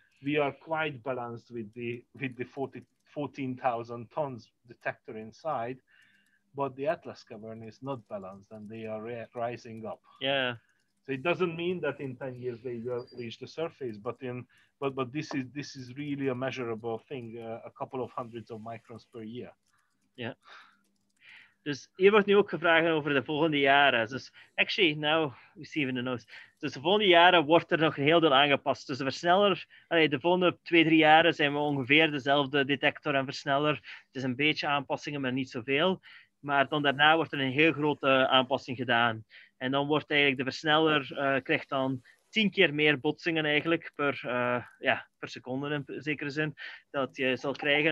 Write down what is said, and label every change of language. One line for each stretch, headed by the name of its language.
English: We are quite balanced with the 14,000 tons detector inside, but the Atlas cavern is not balanced and they are rising up. Yeah. So it doesn't mean that in 10 years they will reach the surface, but this is really a measurable thing, a couple of hundreds of microns per year. Yeah.
Dutch: Dus hier wordt nu ook gevraagd over de volgende jaren.
English: Dus actually, now we see even the notes.
Dutch: Dus de volgende jaren wordt er nog een heel deel aangepast. Dus de versneller, de volgende 2-3 jaren zijn we ongeveer dezelfde detector en versneller. Het is een beetje aanpassingen, maar niet zoveel. Maar dan daarna wordt er een heel grote aanpassing gedaan. En dan wordt eigenlijk de versneller, krijgt dan 10 keer meer botsingen eigenlijk per seconde in zekere zin, dat je zal krijgen.